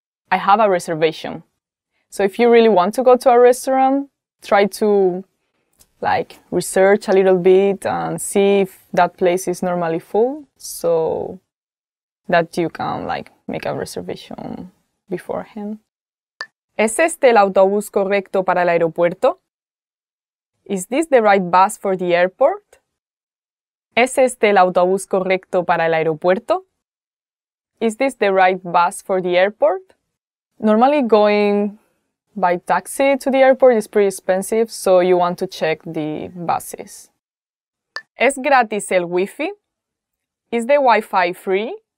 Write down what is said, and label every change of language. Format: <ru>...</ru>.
<en>I have a reservation. So if you really want to go to a restaurant, try to like research a little bit and see if that place is normally full so that you can like make a reservation beforehand.</en> <es>¿Es este el autobús correcto para el aeropuerto?</es> <en>Is this the right bus for the airport?</en> <es>¿Es este el autobús correcto para el aeropuerto?</es> <en>Is this the right bus for the airport? Normally going by taxi to the airport is pretty expensive, so you want to check the buses.</en> <es>¿Es gratis el Wi-Fi?</es> <en>Is the Wi-Fi free?</en>